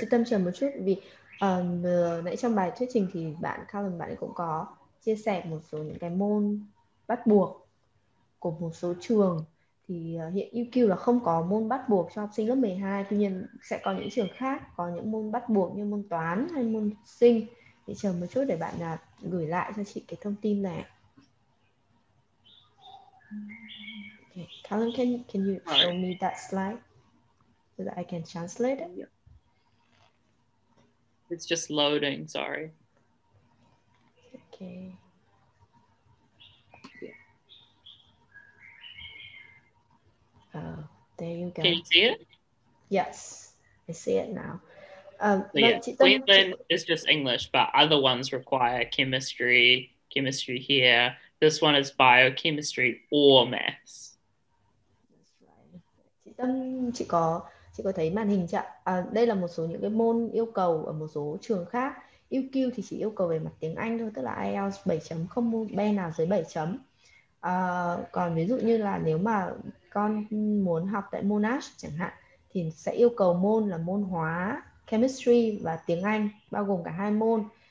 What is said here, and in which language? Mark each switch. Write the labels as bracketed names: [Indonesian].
[Vietnamese] Chị tâm sự một chút vì nãy trong bài thuyết trình thì bạn Callum bạn cũng có chia sẻ một số những cái môn bắt buộc của một số trường. thì hiện UQ là không có môn bắt buộc cho học sinh lớp 12, tuy nhiên sẽ có những trường khác có những môn bắt buộc như môn toán hay môn sinh. Thì chờ một chút để bạn gửi lại cho chị cái thông tin này. [English] Okay. Callum, can you show me that slide so that I can translate it? It's just loading, sorry. Okay. Oh, there you go. Can you see it? Yes, I see it now. Queensland is just English, but other ones require chemistry here. This one is biochemistry or maths. That's right. [Vietnamese] Chị Tâm, chị có thấy màn hình chưa? Đây là một số những cái môn yêu cầu ở một số trường khác. UQ thì chỉ yêu cầu về mặt tiếng Anh thôi, tức là IELTS 7.0, không môn B nào dưới 7 chấm. Còn ví dụ như là nếu mà con muốn học tại Monash chẳng hạn thì sẽ yêu cầu môn là môn hóa, chemistry và tiếng Anh bao gồm cả hai môn.